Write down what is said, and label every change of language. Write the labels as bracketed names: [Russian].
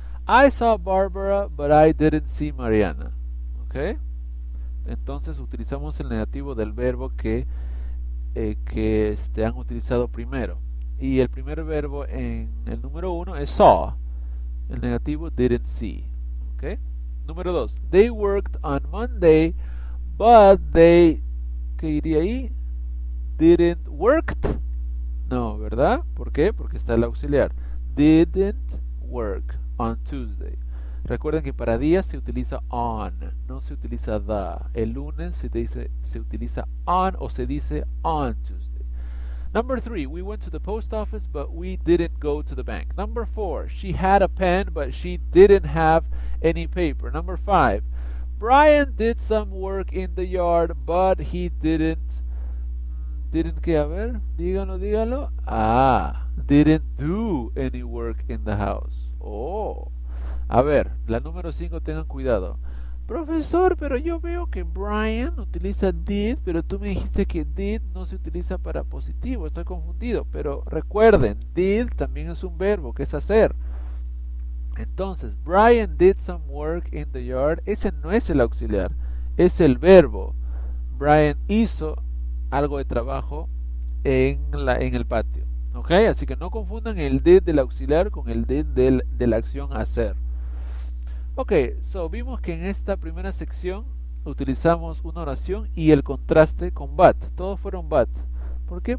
[English] I saw Barbara, but I didn't see Mariana. Okay? [Spanish] Entonces utilizamos el negativo del verbo que han utilizado primero. Y el primer verbo en el número uno es saw. El negativo didn't see. Okay? Número dos. [English] They worked on Monday, but they... [Spanish] ¿Qué iría ahí? [English] Didn't worked. [Spanish] No, ¿verdad? ¿Por qué? Porque está el auxiliar. [English] Didn't work on Tuesday. [Spanish] Recuerden que para días se utiliza on, no se utiliza the. El lunes se utiliza on o se dice on Tuesday. [English] Number three, we went to the post office, but we didn't go to the bank. Number four, she had a pen, but she didn't have any paper. Number five, Brian did some work in the yard, but he didn't... [Spanish] ¿Didn't qué? A ver, díganlo. Ah, [English] didn't do any work in the house. [Spanish] Oh. A ver, la número 5, tengan cuidado. Profesor, pero yo veo que Brian utiliza did, pero tú me dijiste que did no se utiliza para positivo. Estoy confundido. Pero recuerden, did también es un verbo, que es hacer. Entonces, [English] Brian did some work in the yard. [Spanish] Ese no es el auxiliar, es el verbo. Brian hizo algo de trabajo en el patio. ¿Okay? Así que no confundan el did del auxiliar con el did de la acción hacer. Ok, so vimos que en esta primera sección utilizamos una oración y el contraste con but. Todos fueron but. ¿Por qué?